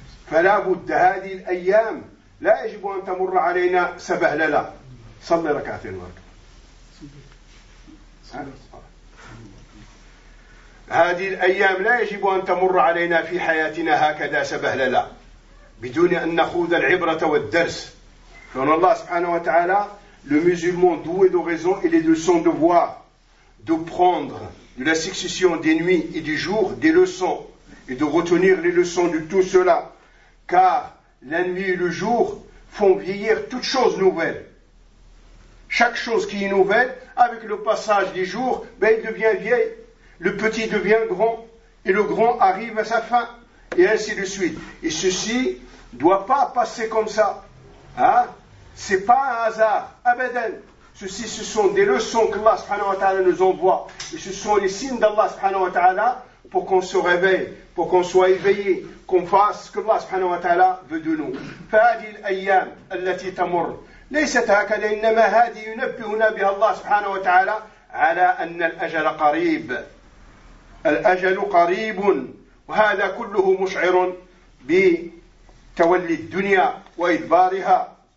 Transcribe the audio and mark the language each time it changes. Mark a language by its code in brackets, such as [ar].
[ar] فلا بد هذه الأيام لا يجب أن تمر علينا سبهللة. صلي ركعتين وركعتين. هذه الأيام لا يجب أن تمر علينا في حياتنا هكذا سبهللا بدون أن نخوض العبرة والدرس. لأن الله سبحانه وتعالى [fr] le musulman doué de raison, il est de son devoir de prendre de la succession des nuits et des jours des leçons et de retenir les leçons de tout cela, car la nuit et le jour font vieillir toute chose nouvelle. Chaque chose qui est nouvelle, avec le passage des jours, ben il devient vieille. Le petit devient grand et le grand arrive à sa fin et ainsi de suite. Et ceci ne doit pas passer comme ça. Hein? Ce n'est pas un hasard. Abadan. Ceci, ce sont des leçons que Allah subhanahu wa ta'ala nous envoie. Et ce sont les signes d'Allah subhanahu wa ta'ala pour qu'on se réveille, pour qu'on soit éveillé, qu'on fasse ce que Allah subhanahu wa ta'ala veut de nous. [ar] فَهَذِي الْأَيَّامِ أَلَّتِي تَمُرْ لَيْسَتْ هَكَدَ إِنَّمَا هَذِي يُنَبِّهُنَا بِهَا اللَّهِ سُبْحَانَهُ وَتَعَالَى عَلَى أَنَّ الْأَجَلَ قَرِيبٌ الْأَجَلُ قَرِيبٌ وَهَذَا كُلُّهُ مُشْعِرٌ بِتَوَلِّي الدُّنْيَا وَإِدْبَارِهَا